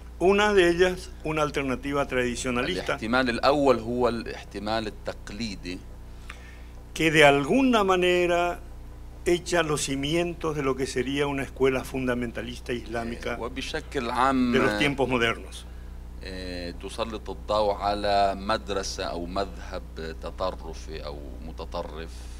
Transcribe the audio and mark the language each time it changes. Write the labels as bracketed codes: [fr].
[es] Una de ellas una alternativa tradicionalista. [ar] الاحتمال الأول هو الاحتمال التقليدي. [es] Que de alguna manera echa los cimientos de lo que sería una escuela fundamentalista islámica [ar] وبشكل عام [es] de los tiempos modernos. [ar] تسلط الضوء على مدرسة أو مذهب تطرفي أو متطرف.